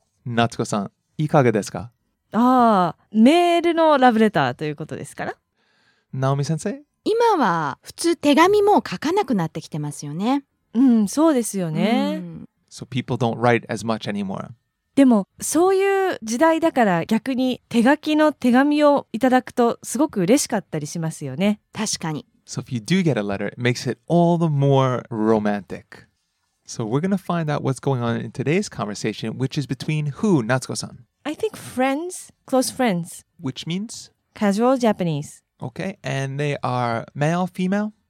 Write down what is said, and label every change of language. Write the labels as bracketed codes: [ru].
[ja] 夏子さん、いかがですか？メールのラブレターということですから。ナオミ先生、今は普通手紙も書かなくなってきてますよね。うん、そうですよね。 [en] So people don't write as much anymore。 [ja] でもそういう時代だから逆に手書きの手紙をいただくとすごく嬉しかったりしますよね。確かに。 [en] So if you do get a letter, it makes it all the more romantic. So we're going to find out what's going on in today's conversation, which is between who, Natsuko-san? I think friends, close friends. Which means? Casual Japanese. Okay, and they are male, female?